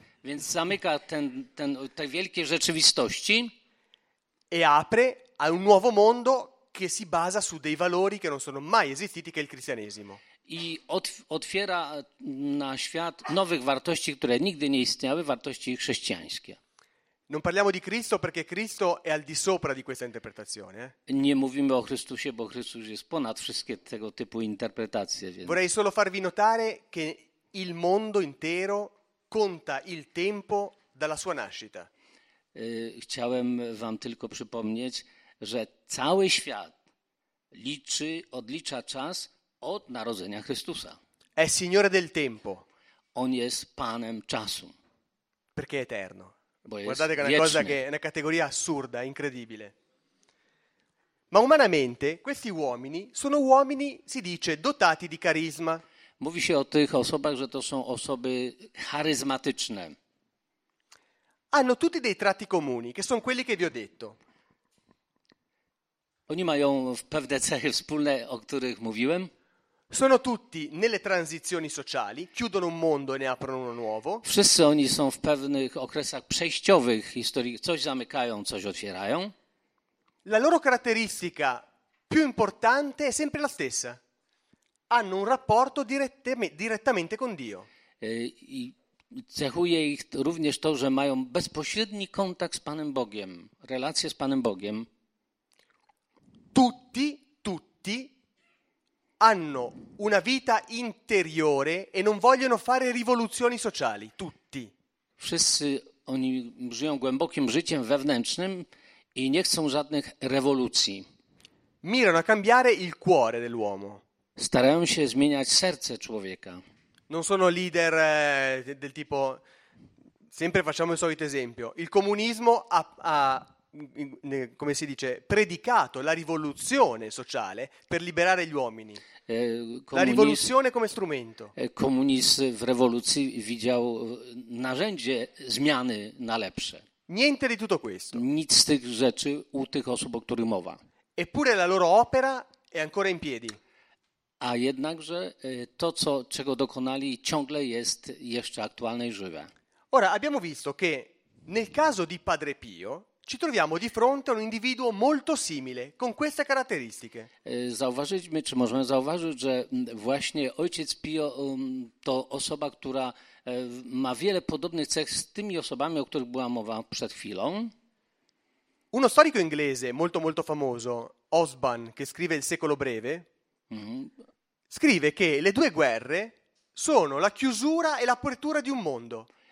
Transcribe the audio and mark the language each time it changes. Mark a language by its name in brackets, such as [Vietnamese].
[Polish] Więc zamyka te wielkie rzeczywistości. [Italian] E apre a un nuovo mondo che si basa su dei valori che non sono mai esistiti, che è il cristianesimo. [Polish] I otwiera na świat nowych wartości, które nigdy nie istniały, wartości chrześcijańskie. [Italian] Non parliamo di Cristo perché Cristo è al di sopra di questa interpretazione. [Polish] Nie mówimy o Chrystusie, bo Chrystus jest ponad wszystkie tego typu interpretacje. Więc... [Italian] Vorrei solo farvi notare che il mondo intero conta il tempo dalla sua nascita. [Polish] Chciałem wam tylko przypomnieć, że cały świat liczy, odlicza czas od narodzenia Chrystusa. [Italian] È signore del tempo. [Polish] On jest panem czasu. [Italian] Perché è eterno. [Polish] Bo jest [Italian] guardate che è una [Polish] wieczny. [Italian] Cosa che è una categoria assurda, incredibile. Ma umanamente questi uomini sono uomini, si dice, dotati di carisma. [Polish] Mówi się o tych osobach, że to są osoby charyzmatyczne. [Italian] Hanno tutti dei tratti comuni, che sono quelli che vi ho detto. [Polish] Oni mają pewne cechy wspólne, o których mówiłem. [Italian] Sono tutti nelle transizioni sociali, chiudono un mondo e ne aprono uno nuovo. [Polish] Wszyscy oni są w pewnych okresach przejściowych historii, coś zamykają, coś otwierają. [Italian] La loro caratteristica più importante è sempre la stessa. Hanno un rapporto direttamente con Dio. [Polish] I cechuje ich również to, że mają bezpośredni kontakt z Panem Bogiem, relacje z Panem Bogiem. [Italian] Tutti hanno una vita interiore e non vogliono fare rivoluzioni sociali, tutti. [Polish] Wszyscy oni żyją głębokim życiem wewnętrznym i nie chcą żadnych rewolucji. [Italian] Mirano a cambiare il cuore dell'uomo. [Polish] Starają się zmieniać serce człowieka. [Italian] Non sono leader del tipo, sempre facciamo il solito esempio, il comunismo ha come si dice, predicato la rivoluzione sociale per liberare gli uomini. La rivoluzione come strumento. [Polish] Komunizm w rewolucji widział narzędzie zmiany na lepsze. [Italian] Niente di tutto questo. [Polish] Nic z tych rzeczy u tych osób, o których mowa. [Italian] Eppure la loro opera è ancora in piedi. [Polish] A jednakże to, co, czego dokonali, ciągle jest jeszcze aktualne i żywe. [Italian] Ora, abbiamo visto che nel caso di Padre Pio ci troviamo di fronte a un individuo molto simile, con queste caratteristiche. [Polish] Zauważyliśmy, czy możemy zauważyć, że właśnie ojciec Pio to osoba, która ma wiele podobnych cech z tymi osobami, o których była mowa przed chwilą. [Italian] Uno storico inglese molto molto famoso, Osborne, che scrive Il secolo breve, scrive che le due guerre sono la chiusura e l'apertura di un mondo.